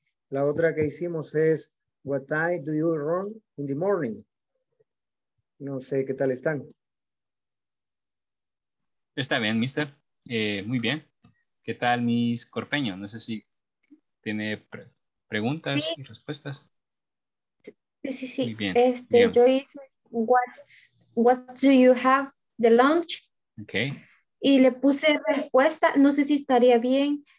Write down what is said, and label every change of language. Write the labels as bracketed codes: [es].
[es] La otra que hicimos es, [en] what time do you run in the morning? [es] No sé qué tal están. Está bien, mister. Muy bien. ¿Qué tal, Miss Corpeño? No sé si tiene preguntas, sí, y respuestas. Sí, sí, sí. Muy bien. Bien. Yo hice, [en] what do you have the lunch? [es] Ok. Y le puse respuesta, no sé si estaría bien.